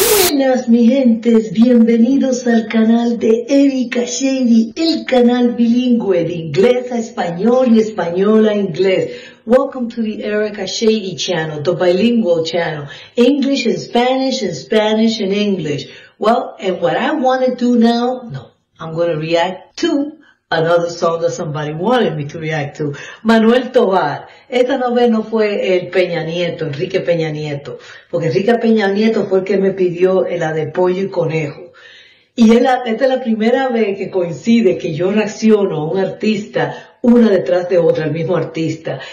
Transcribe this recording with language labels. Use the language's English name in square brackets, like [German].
[Spanish] Buenas, mi gentes, bienvenidos al canal de Erika Shady, el canal bilingüe de inglés a español y español a inglés. [English] Welcome to the Erika Shady channel, the bilingual channel, English and Spanish and English. Well, and what I want to do now, no, I'm going to react to another song that somebody wanted me to react to. [Spanish] Manuel Tovar. Esta vez no fue el Peña Nieto, Enrique Peña Nieto. Porque Enrique Peña Nieto fue el que me pidió la de Pollo y Conejo. Y esta es la primera vez que coincide que yo reacciono a un artista una detrás de otra, el mismo artista.